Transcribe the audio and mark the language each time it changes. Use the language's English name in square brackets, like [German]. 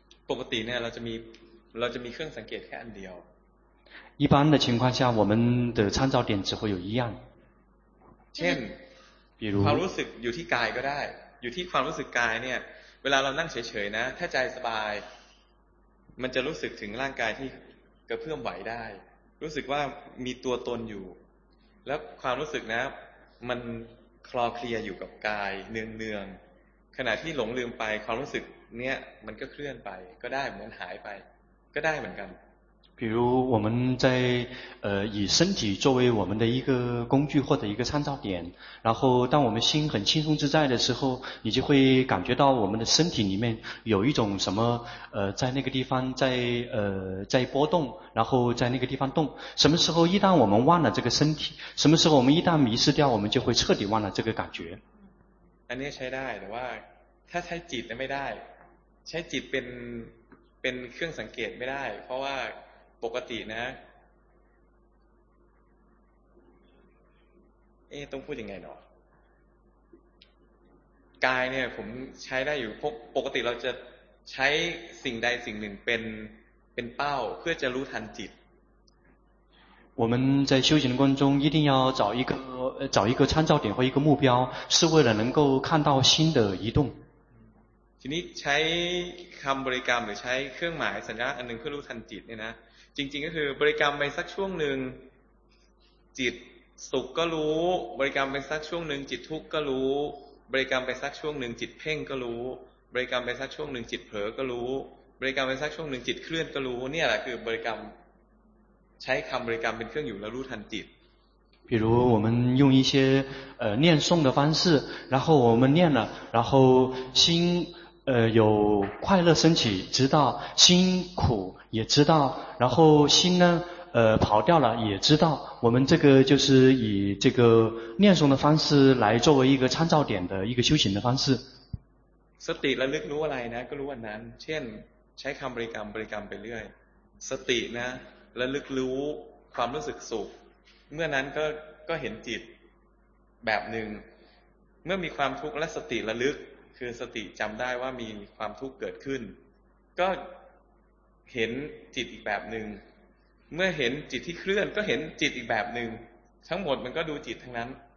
[Thai] ปกติเนี่ยเราจะมีเครื่องสังเกตแค่อันเดียว。 [Chinese] 一般的情况下我们的参照点只会有一样 [Thai] เช่นความรู้สึกอยู่ที่กายก็ได้อยู่ที่ความรู้สึกกายเนี่ยเวลาเรานั่งเฉยๆนะถ้าใจสบายมันจะรู้สึกถึงร่างกายที่กระเพื่อมไหวได้รู้สึกว่ามีตัวตนอยู่แล้วความรู้สึกนะมันคลอเคลียอยู่กับกายเนืองๆขณะที่หลงลืมไปความรู้สึกเนี่ยมันก็เคลื่อนไปก็ได้เหมือนหายไปก็ได้เหมือนกัน [Chinese] 比如我们在以身体作为我们的一个工具或者一个参照点，然后当我们心很轻松自在的时候，你就会感觉到我们的身体里面有一种什么在那个地方在波动，然后在那个地方动。什么时候一旦我们忘了这个身体，什么时候我们一旦迷失掉，我们就会彻底忘了这个感觉。 [Thai] 安尼ใช้ได้แต่ว่าถ้าใช้จิตไม่ได้ใช้จิตเป็นเครื่องสังเกตไม่ได้เพราะว่าปกตินะต้องพูดยังไงเนาะกายเนี่ยผมใช้ได้อยู่ปกติเราจะใช้สิ่งใดสิ่งหนึ่งเป็นเป้าเพื่อจะรู้ทันจิต [Chinese] 我们在修行的过程中一定要找一个参照点或一个目标是为了能够看到心的移动 [Thai] ทีนี้ใช้คำบริกรรมหรือใช้เครื่องหมายสัญญาอันหนึ่งเพื่อรู้ทันจิตเนี่ยนะจริงๆก็คือบริกรรมไปสักช่วงหนึ่งจิตสุขก็รู้บริกรรมไปสักช่วงหนึ่งจิตทุกข์ก็รู้บริกรรมไปสักช่วงหนึ่งจิตเพ่งก็รู้บริกรรมไปสักช่วงหนึ่งจิตเผลอก็รู้บริกรรมไปสักช่วงหนึ่งจิตเคลื่อนก็รู้เนี่ยแหละคือบริกรรมใช้คำบริกรรมเป็นเครื่องอยู่แล้วรู้ทันจิต [Chinese] 比如我们用一些念诵的方式然后我们念了然后心有快乐升起知道心苦也知道然后心呢跑掉了也知道我们这个就是以这个念诵的方式来作为一个参照点的一个修行的方式 [Thai] สติระลึกรู้อะไรนะก็รู้อันนั้นเช่นใช้คำบริกรรมไปเรื่อยสตินะระลึกรู้ความรู้สึกสุขเมื่อนั้นก็เห็นจิตแบบหนึ่งเมื่อมีความทุกข์และสติระลึกคือสติจำได้ว่ามีความทุกข์เกิดขึ้นก็เห็นจิตอีกแบบหนึ่งเมื่อเห็นจิตที่เคลื่อนก็เห็นจิตอีกแบบหนึ่งทั้งหมดมันก็ดูจิตทั้งนั้น